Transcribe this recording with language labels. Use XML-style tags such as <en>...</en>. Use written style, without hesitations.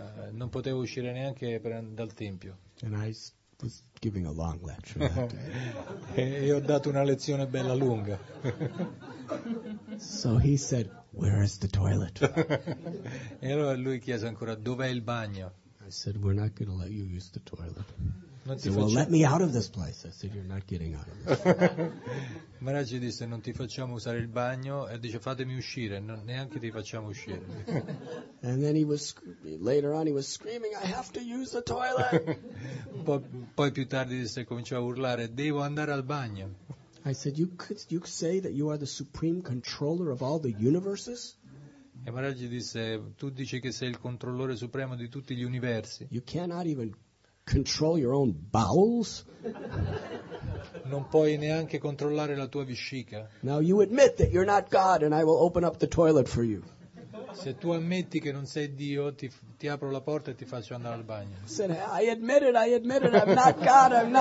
<it>Non potevo uscire neanche dal tempio.</it> <en>And I was giving a long lecture that day.</en> <it>E io ho dato una lezione bella lunga.</it> <en>So he said, "Where is the toilet?"</en> <it>E allora lui chiese ancora, "Dov'è il bagno?"</it> <en>I said, "We're not going to let you use the toilet."</en> <it>Non</it> <en>he said, "Well, let me out of this place." I said, "You're not getting out of this place."</en> <it>Maharaj disse, "Non ti facciamo usare il bagno." E dice, "Fatemi uscire." Non, neanche ti facciamo uscire.</it> <en>And then he was, later on he was screaming, "I have to use the toilet."</en> <it>Poi più tardi disse, cominciò a urlare, "Devo andare al bagno."</it> <en>I said, "You say that you are the supreme controller of all the universes?"</en> <it>E Maharaj disse, "Tu dici che sei il controllore supremo di tutti gli universi."</it> <en>"You cannot even control your own bowels?"</en> <it>Non puoi neanche controllare la tua vescica.</it> <en>"Now you admit that you're not God and I will open up the toilet for you."</en> <it>Se tu ammetti che non sei Dio, ti apro la porta e ti faccio andare al bagno.</it> <en>I said, "I admit it, I'm not God."</en>